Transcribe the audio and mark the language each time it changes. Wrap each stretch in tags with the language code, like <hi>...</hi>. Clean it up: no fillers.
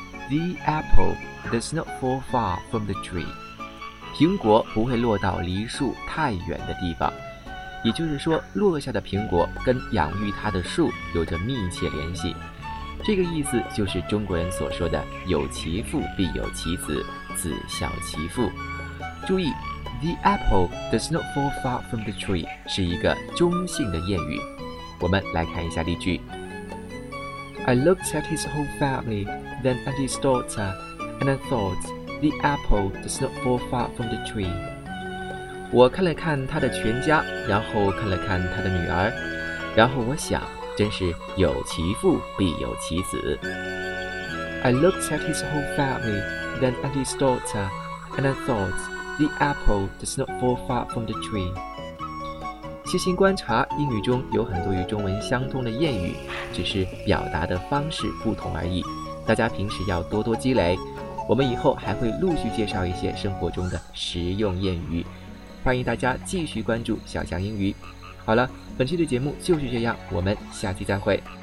<en>The apple does not fall far from the tree.</en> <zh>苹果不会落到离树太远的地方，也就是说，落下的苹果跟养育它的树有着密切联系。这个意思就是中国人所说的有其父必有其子，子孝其父。注意，</zh> <en>The apple does not fall far from the tree</en> <zh>是一个中性的谚语。我们来看一下例句。</zh> <en>I looked at his whole family, then at his daughter, and I thought, the apple does not fall far from the tree.</en> <zh>我看了看他的全家，然后看了看他的女儿，然后我想，真是有其父必有其子。</zh> <en>I looked at his whole family, then at his daughter, and I thought, the apple does not fall far from the tree.</en> <zh>细心观察，英语中有很多与中文相通的谚语，只是表达的方式不同而已。大家平时要多多积累，我们以后还会陆续介绍一些生活中的实用谚语，欢迎大家继续关注小强英语。好了，本期的节目就是这样，我们下期再会。</zh>